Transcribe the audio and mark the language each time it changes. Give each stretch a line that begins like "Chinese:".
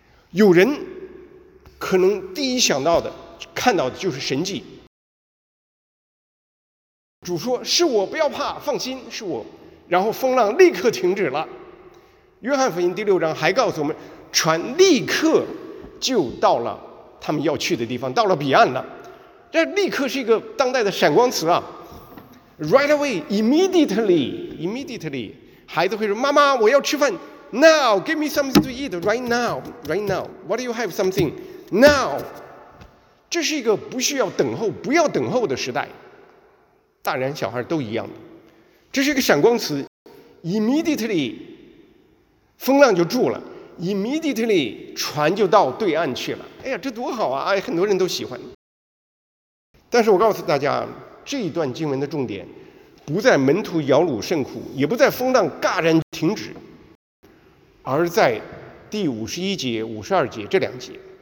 Chinese: 有人可能第一想到的看到的就是神迹，主说是我，不要怕，放心，是我，然后风浪立刻停止了。约翰福音第6章还告诉我们，船立刻就到了他们要去的地方，到了彼岸了。这立刻是一个当代的闪光词啊，
English: right away, immediately, immediately。
Chinese: 孩子会说，妈妈我要吃饭，
English: now, give me something to eat, right now, right now, what do you have something, now。
Chinese: 这是一个不需要等候，不要等候的时代，大人小孩都一样的。这是一个闪光词， immediately 风浪就住了， immediately 船就到对岸去了。哎呀这多好啊，哎，很多人都喜欢。但是我告诉大家，这一段经文的重点不在门徒摇橹甚苦，也不在风浪戛然停止，而在第51节、52节这2节。